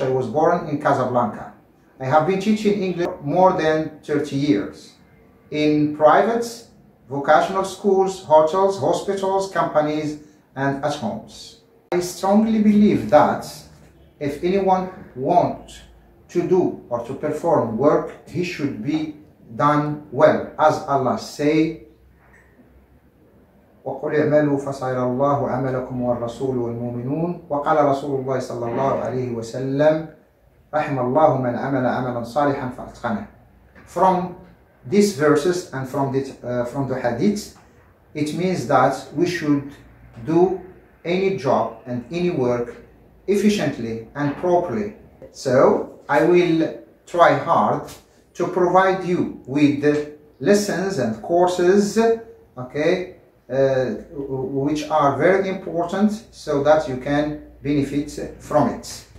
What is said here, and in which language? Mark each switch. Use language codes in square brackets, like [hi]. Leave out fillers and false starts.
[en] I was born in Casablanca. I have been teaching English more than 30 years in private, vocational schools, hotels, hospitals, companies, and at homes. I strongly believe that if anyone wants to do or to perform work, he should be done well. As Allah say, [ar] وقل اعملوا فسير الله عملكم والرسول والمؤمنون وقال رسول الله صلى الله عليه وسلم رحم الله من عمل عملا صالحا فأتقنه. [en] From these verses and from the hadith, it means that we should do any job and any work efficiently and properly. So I will try hard to provide you with the lessons and courses, okay, which are very important so that you can benefit from it.